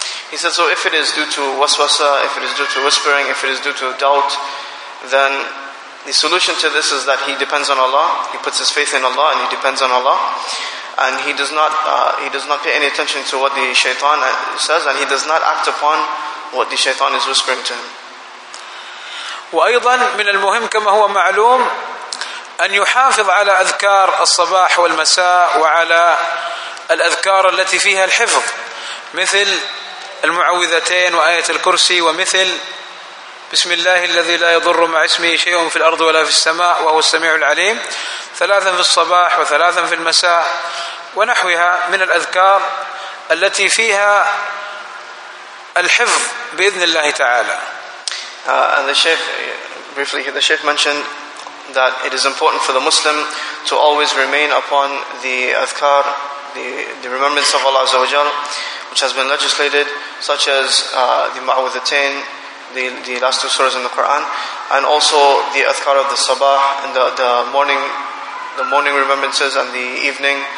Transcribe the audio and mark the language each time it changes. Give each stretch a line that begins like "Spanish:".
English: He said, so if it is due to waswasa, if it is due to whispering, if it is due to doubt, then the solution to this is that he depends on Allah. He puts his faith in Allah and he depends on Allah. And he does not pay any attention to what the shaitan says and he does not act upon what the shaitan is whispering to him.
Arabic: وأيضا من المهم كما هو معلوم أن يحافظ على أذكار الصباح والمساء وعلى الأذكار التي فيها الحفظ مثل المعوذتين وآية الكرسي ومثل بسم الله الذي لا يضر مع اسمه شيء في الأرض ولا في السماء وهو السميع العليم ثلاثا في الصباح وثلاثا في المساء ونحوها من الأذكار التي فيها الحفظ بإذن الله تعالى.
English: And the Sheikh briefly, the Sheikh mentioned that it is important for the Muslim to always remain upon the adhkar, the remembrance of Allah Azza wa Jal, which has been legislated, such as the Ma'awudhatayn, the last two surahs in the Quran, and also the adhkar of the sabah and the morning remembrances and the evening.